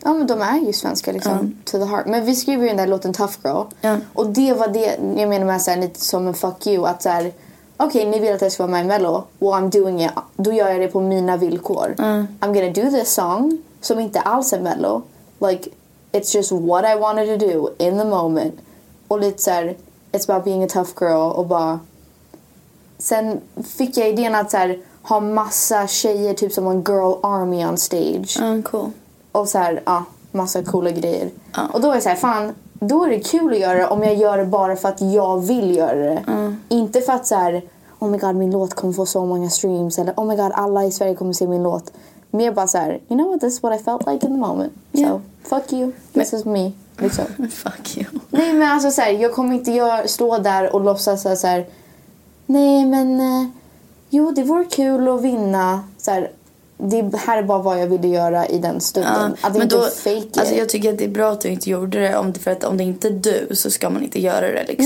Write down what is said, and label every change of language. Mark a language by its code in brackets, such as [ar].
[sv] Ja, men de är ju svenska liksom [en] to the heart. [sv] Men vi skriver ju den där låten Tough Girl. Och det var det jag menar med såhär lite som en fuck you, att såhär okej, ni vill att jag ska vara med i Mello, [en] well I'm doing it, [sv] då gör jag det på mina villkor. [en] I'm gonna do this song [sv] som inte alls är Mello. [en] Like, it's just what I wanted to do in the moment. [sv] Och lite så här, [en] it's about being a tough girl. [sv] Och bara... Sen fick jag idén att så här, ha massa tjejer, typ som en [en] girl army on stage. Cool. [sv] Och så här, ja, massa coola grejer. Oh. Och då är jag så här, fan, då är det kul att göra om jag gör det bara för att jag vill göra det. Inte för att så här, [en] oh my god, [sv] min låt kommer få så många streams. Eller, [en] oh my god, [sv] alla i Sverige kommer se min låt. Mer bara såhär, [en] you know what, this is what I felt like in the moment. Yeah. So, fuck you, this is me. Liksom. Fuck you. [sv] Nej men alltså såhär, jag kommer inte stå där och låtsas såhär, nej men, jo det vore kul att vinna. Såhär, det här är bara vad jag ville göra i den stunden. Att men inte då, [en] fake it. [sv] Alltså jag tycker att det är bra att du inte gjorde det, för att om det inte är du så ska man inte göra det liksom.